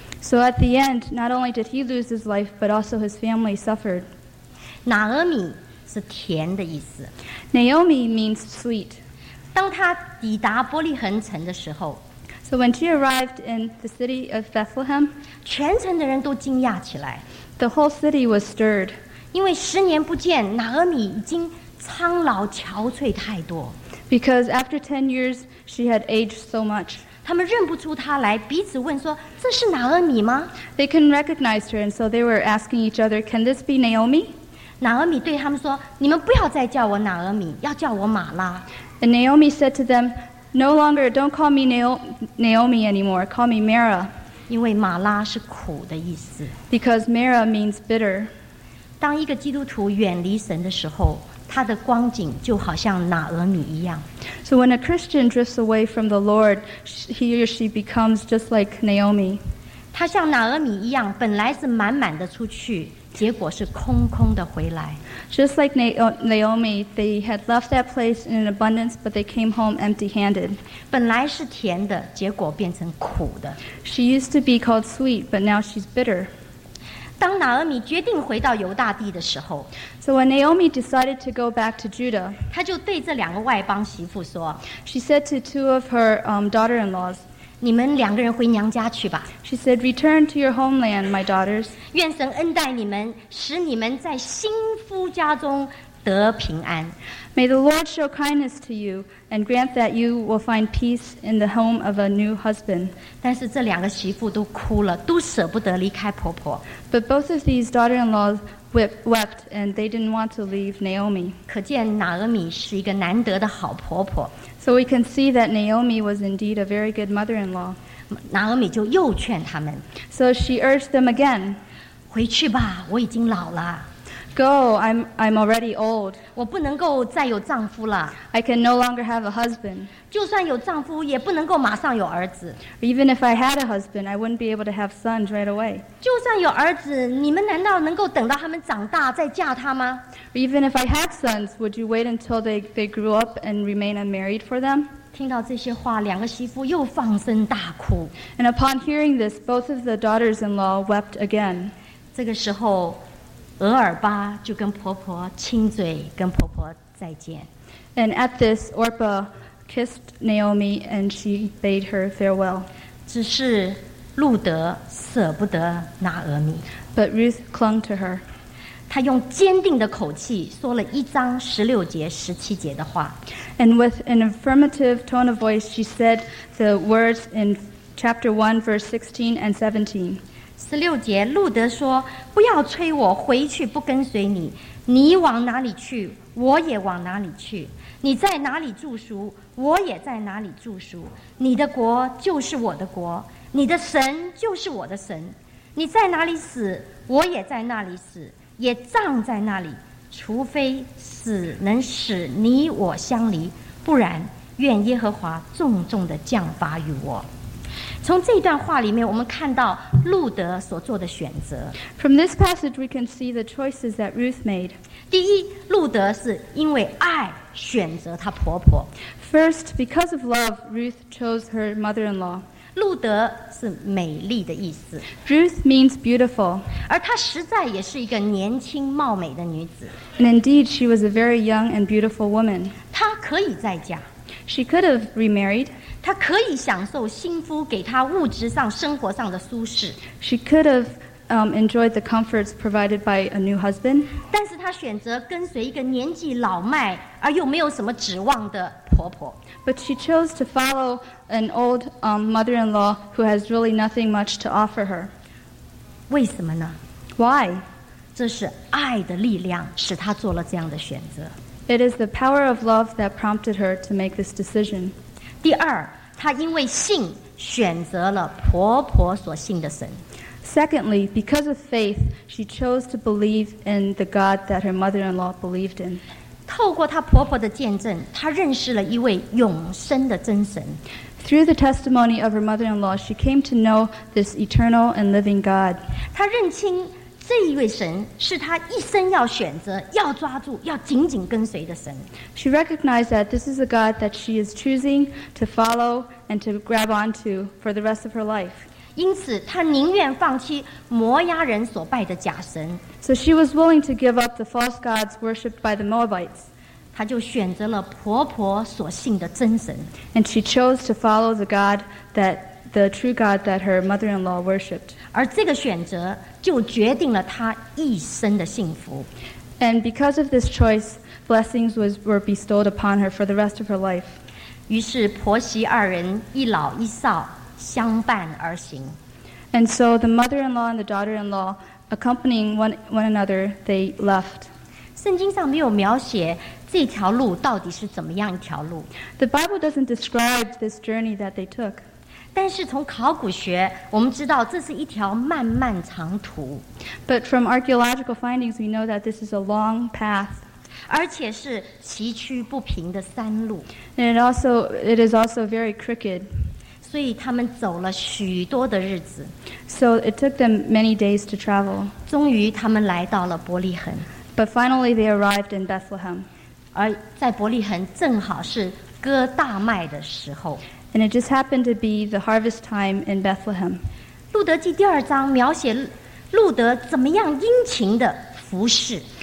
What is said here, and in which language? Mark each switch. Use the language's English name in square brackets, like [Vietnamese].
[English] So at the end, not only did he lose his life, but also his family suffered. [Chinese] 拿俄米是甜的意思。 [English] Naomi means sweet. [Chinese] 当她抵达伯利恒城的时候 [English] ，So when she arrived in the city of Bethlehem, [Chinese] 全城的人都惊讶起来。 [English] The whole city was stirred. [Chinese] 因为十年不见，拿俄米已经苍老憔悴太多。 [English] Because after 10 years, she had aged so much. [Chinese] 他们认不出她来，彼此问说：“这是拿俄米吗 [English] ？”They couldn't recognize her, and so they were asking each other, "Can this be Naomi?" [Chinese] 拿俄米对他们说：“你们不要再叫我拿俄米，要叫我马拉。” [English] And Naomi said to them, "No longer, don't call me Naomi anymore. Call me Mara." [Chinese] 因为马拉是苦的意思。 [English] Because Mara means bitter. [Chinese] 当一个基督徒远离神的时候，他的光景就好像拿俄米一样。 [English] So when a Christian drifts away from the Lord, he or she becomes just like Naomi. [Chinese] 他像拿俄米一样，本来是满满的出去。结果是空空的回来。 [English] Just like Naomi, they had left that place in abundance, but they came home empty-handed. [Chinese] 本来是甜的，结果变成苦的。 [English] She used to be called sweet, but now she's bitter. [Chinese] 当拿俄米决定回到犹大地的时候 [English] ，So when Naomi decided to go back to Judah, [Chinese] 她就对这两个外邦媳妇说 [English] ，She said to two of her daughter-in-laws. [Chinese] 你们两个人回娘家去吧。 [English] She said, "Return to your homeland, my daughters." [Chinese] 愿神恩待你们，使你们在新夫家中得平安。 [English] May the Lord show kindness to you and grant that you will find peace in the home of a new husband. [Chinese] 但是这两个媳妇都哭了，都舍不得离开婆婆。 [English] But both of these daughter-in-laws wept, and they didn't want to leave Naomi. [Chinese] 可见拿俄米是一个难得的好婆婆。 [English] So we can see that Naomi was indeed a very good mother-in-law. [Chinese] 拿俄米就又劝他们。 [English] So she urged them again. [Chinese] 回去吧，我已经老了。 [English] Go, I'm already old. [Chinese] 我不能够再有丈夫了。 [English] I can no longer have a husband. [Chinese] 就算有丈夫，也不能够马上有儿子。 [English] Even if I had a husband, I wouldn't be able to have sons right away. [Chinese] 就算有儿子，你们难道能够等到他们长大再嫁他吗？ [English] Even if I had sons, would you wait until they grew up and remain unmarried for them? [Chinese] 听到这些话，两个媳妇又放声大哭。 [English] And upon hearing this, both of the daughters-in-law wept again. [Chinese] 这个时候，俄尔巴就跟婆婆亲嘴，跟婆婆再见。 [English] And at this, Orpah kissed Naomi and she bade her farewell. [Chinese] 只是路德舍不得拿俄米。 [English] But Ruth clung to her. [Chinese] 他用坚定的口气说了一章十六节、十七节的话。 [English] And with an affirmative tone of voice, she said the words in chapter 1, verse 16 and 17. [Chinese] 十六节，路德说：“不要催我回去，不跟随你。你往哪里去，我也往哪里去。你在哪里住宿，我也在哪里住宿。你的国就是我的国，你的神就是我的神。你在哪里死，我也在那里死。” 也葬在那里，除非死能使你我相离，不然愿耶和华重重的降罚于我。从这段话里面，我们看到路德所做的选择。 [English] From this passage, we can see the choices that Ruth made. [Chinese] 第一，路德是因为爱选择她婆婆。 [English] First, because of love, Ruth chose her mother-in-law. [Chinese] 路德是美丽的意思。 [English] Ruth means beautiful. [Chinese] 而她实在也是一个年轻貌美的女子。 [English] And indeed, she was a very young and beautiful woman. [Chinese] 她可以再嫁。 [English] She could have remarried. [Chinese] 她可以享受新夫给她物质上、生活上的舒适。 [English] She could have enjoyed the comforts provided by a new husband. [Chinese] 但是她选择跟随一个年纪老迈而又没有什么指望的婆婆。 [English] But she chose to follow an old mother-in-law who has really nothing much to offer her. [Chinese] 为什么呢? [English] Why? [Chinese] 这是爱的力量使她做了这样的选择。 [English] It is the power of love that prompted her to make this decision. [Chinese] 第二,她因为信选择了婆婆所信的神。 [English] Secondly, because of faith, she chose to believe in the God that her mother-in-law believed in. [Chinese] 透过她婆婆的见证，她认识了一位永生的真神。 [English] Through the testimony of her mother-in-law, she came to know this eternal and living God. [Chinese] 她认清这一位神是她一生要选择、要抓住、要紧紧跟随的神。 [English] She recognized that this is a God that she is choosing to follow and to grab onto for the rest of her life. [Chinese] 因此她宁愿放弃摩押人所拜的假神。 [English] So she was willing to give up the false gods worshipped by the Moabites. [Chinese] 她就选择了婆婆所信的真神。 [English] And she chose to follow the true God that her mother-in-law worshipped. [Chinese] 而这个选择就决定了她一生的幸福。 [English] And because of this choice, blessings were bestowed upon her for the rest of her life. [Chinese] 于是婆媳二人一老一少相伴而行。 [English] And so the mother-in-law and the daughter-in-law, accompanying one another, they left. [Chinese] 圣经上没有描写这条路到底是怎么样一条路。 [English] The Bible doesn't describe this journey that they took. [Chinese] 但是从考古学，我们知道这是一条漫漫长途。 [English] But from archaeological findings, we know that this is a long path. [Chinese] 而且是崎岖不平的山路。 [English] And it is also very crooked. [Chinese] 所以他们走了许多的日子。 [English] So it took them many days to travel. [Chinese] 终于他们来到了伯利恒。 [English] But finally they arrived in Bethlehem. [Chinese] 而在伯利恒正好是割大麦的时候。 [English] And it just happened to be the harvest time in Bethlehem. [Chinese] 路德记第二章描写路德怎么样殷勤的服侍。